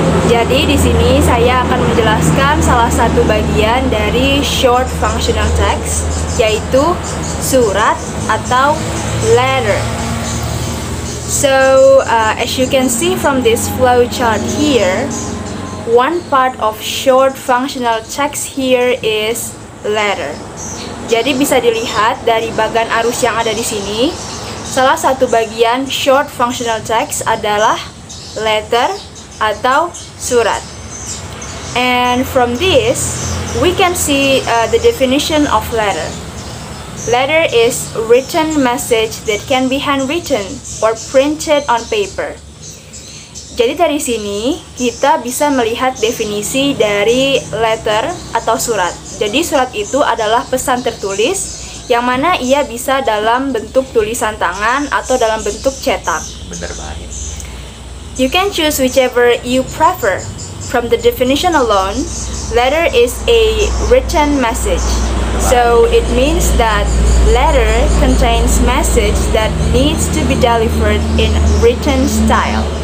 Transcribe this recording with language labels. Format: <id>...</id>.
<id>Jadi di sini saya akan menjelaskan salah satu bagian dari short functional text, yaitu surat atau letter.</id> <en>So, as you can see from this flowchart here, one part of short functional text here is letter.</en> <id>Jadi bisa dilihat dari bagan arus yang ada di sini, salah satu bagian short functional text adalah letter atau surat.</id> <en>And from this, we can see the definition of letter. Letter is written message that can be handwritten or printed on paper.</en> <id>Jadi dari sini kita bisa melihat definisi dari letter atau surat. Jadi surat itu adalah pesan tertulis yang mana ia bisa dalam bentuk tulisan tangan atau dalam bentuk cetak. Benar banget.</id> <en>You can choose whichever you prefer. From the definition alone, letter is a written message. So it means that letter contains message that needs to be delivered in written style.</en>